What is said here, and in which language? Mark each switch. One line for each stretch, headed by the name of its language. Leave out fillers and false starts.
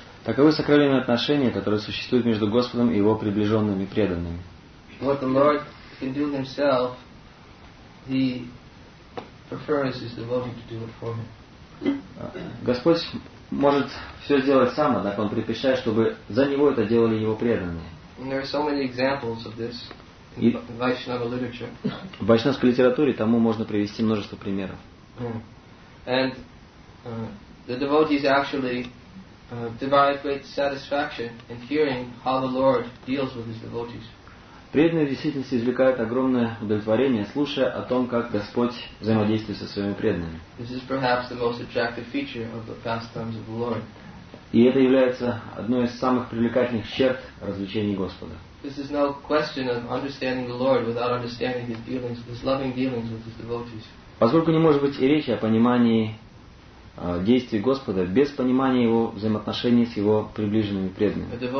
Russian: Таковы сокровенные отношения, которые существуют между Господом и Его приближенными преданными.
English: What the Lord can do himself, he prefers his devotee to do it for him.
Russian: Господь может все сделать сам, однако Он предпочитает, чтобы за Него это делали Его преданные.
English: And there are so many examples of this in Vaishnava literature.
Russian: В вайшнавской литературе тому можно привести множество примеров.
English: And the devotees actually derive great satisfaction in hearing how the Lord deals with his devotees.
Russian: Преданные в действительности извлекают огромное удовлетворение, слушая о том, как Господь взаимодействует со своими преданными.
English: This is perhaps the most attractive feature of the pastimes of the Lord.
Russian: И это является одной из самых привлекательных черт развлечений Господа.
English: This is no question of understanding the Lord without understanding his dealings, his loving dealings with his devotees.
Russian: Поскольку не может быть и речи о понимании действий Господа без понимания Его взаимоотношений с Его приближенными преданными.